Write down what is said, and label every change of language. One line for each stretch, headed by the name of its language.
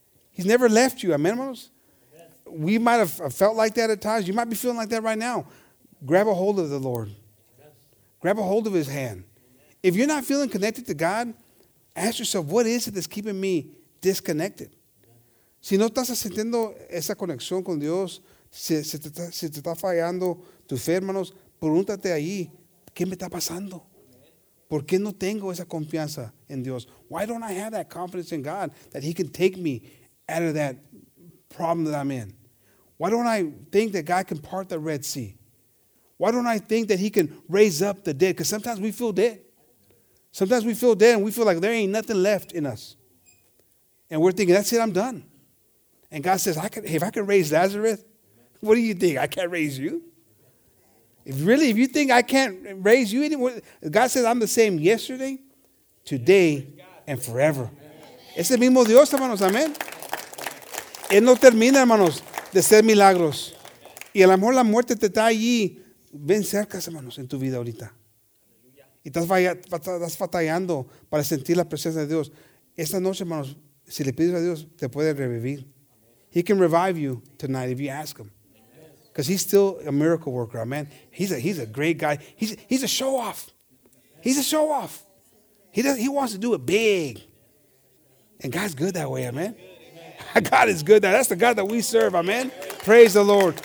English: He's never left you, amen, hermanos? Amen. We might have felt like that at times. You might be feeling like that right now. Grab a hold of the Lord. Amen. Grab a hold of his hand. Amen. If you're not feeling connected to God, ask yourself, what is it that's keeping me disconnected?
Spanish: Si no estás sintiendo esa conexión con Dios, si te está fallando tu fe, hermanos, pregúntate ahí, ¿qué me está pasando? ¿Por qué no tengo esa confianza en Dios?
English: Why don't I have that confidence in God that he can take me out of that problem that I'm in? Why don't I think that God can part the Red Sea? Why don't I think that he can raise up the dead? Because sometimes we feel dead. Sometimes we feel dead and we feel like there ain't nothing left in us. And we're thinking, that's it, I'm done. And God says, if I can raise Lazarus, what do you think? I can't raise you? If you think I can't raise you anymore, God says, I'm the same yesterday, today, and forever.
Spanish: Es el mismo Dios, hermanos, amén. Él no termina, hermanos, de hacer milagros. Y a lo mejor la muerte te está allí, ven cerca, hermanos, en tu vida ahorita. Y estás batallando para sentir la presencia de Dios. Esta noche, hermanos, si le pides a Dios, te puede revivir.
English: He can revive you tonight if you ask him. Because he's still a miracle worker, amen. He's a great guy. He's a show-off. He's a show-off. He wants to do it big. And God's good that way, amen. God is good. That's the God that we serve, amen. Praise the Lord.